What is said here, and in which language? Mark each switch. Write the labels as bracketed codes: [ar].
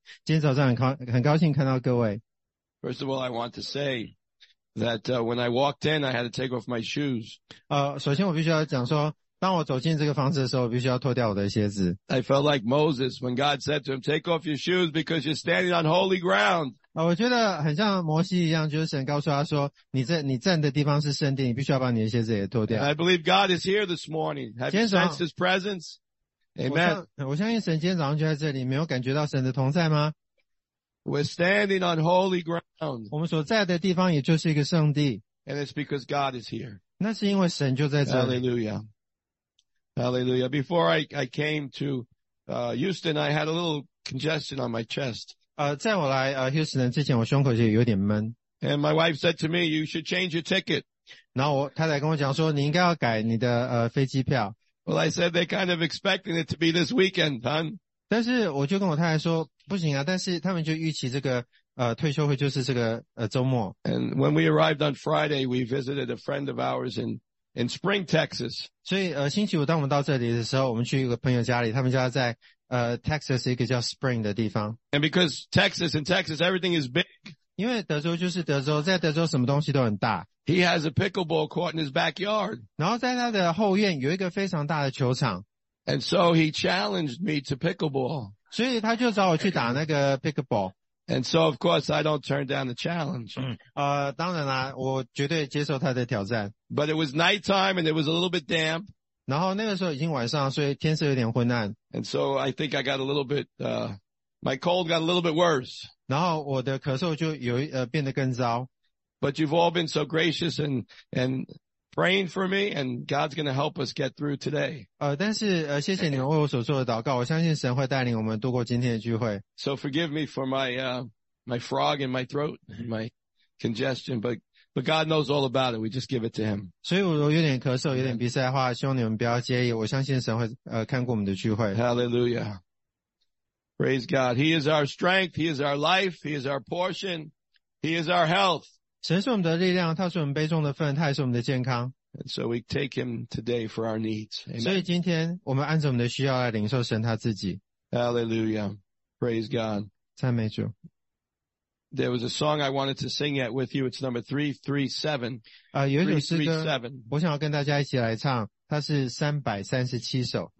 [zh] 今天早上很高兴看到各位。 [en] First of all, I want to say, that when I walked in, I had to take off my shoes. [zh] 首先我必须要讲说，当我走进这个房子的时候，我必须要脱掉我的鞋子。 [en] I felt like Moses when God said to him, "Take off your shoes because you're standing on holy ground." [zh] 我觉得很像摩西一样，就是神告诉他说，你站的地方是圣地，你必须要把你的鞋子也脱掉。 [en] I believe God is here this morning. Have you sensed His presence? Amen. [zh] 我相信神今天早上就在这里，没有感觉到神的同在吗？ [en] We're standing on holy ground. [zh] 我们所在的地方也就是一个圣地。 [en] And it's because God is here. [zh] 那是因为神就在这里。 [en] Hallelujah. Hallelujah. Before I came to Houston, I had a little congestion on my chest. [zh] 在我来Houston 之前，我胸口就有点闷。 [en] And my wife said to me, "You should change your ticket." [zh] 然后太太跟我讲说，你应该要改你的飞机票。 [en] Well, I said they're kind of expecting it to be this weekend, hun. [zh] 但是我就跟我太太说。不行啊，但是他们就预期这个退休会就是这个周末。 [en] And when we arrived on Friday, we visited a friend of ours in Spring, Texas. [zh] 所以星期五当我们到这里的时候，我们去一个朋友家里，他们家在Texas 一个叫 Spring 的地方。 [en] And because Texas and Texas, everything is big. [zh] 因为德州就是德州，在德州什么东西都很大。 [en] He has a pickleball court in his backyard. [zh] 然后在他的后院有一个非常大的球场。 [en] And so he challenged me to pickleball. [zh] 所以他就找我去打那个 pickleball. [en] And so, of course, I don't turn down the challenge. [zh] 当然啦，我绝对接受他的挑战。 [en] But it was nighttime and it was a little bit damp. [zh] 然后那个时候已经晚上，所以天色有点昏暗。 [en] And so I think I got a little bit, my cold got a little bit worse. [zh] 然后我的咳嗽就有变得更糟。 [en] But you've all been so gracious and praying for me, and God's going to help us get through today. [zh] 但是谢谢你们为我所做的祷告，我相信神会带领我们度过今天的聚会。 [en] So forgive me for my frog in my throat, my congestion, but God knows all about it. We just give it to Him. [zh] 所以我有点咳嗽，有点鼻塞的话，希望你们不要介意。我相信神会看过我们的聚会。 [en] Hallelujah! Praise God. He is our strength. He is our life. He is our portion. He is our health. [zh] 神是我们的力量，祂是我们杯中的份，祂也是我们的健康。 [en] And so we take Him today for our needs. Amen. [zh] 所以今天我们按着我们的需要来领受神祂自己。 [en] Hallelujah. Praise God. [zh] 赞美主。 [en] There was a song I wanted to sing yet with you. It's number 337. [zh] 有一首诗歌我想要跟大家一起来唱，它是337首。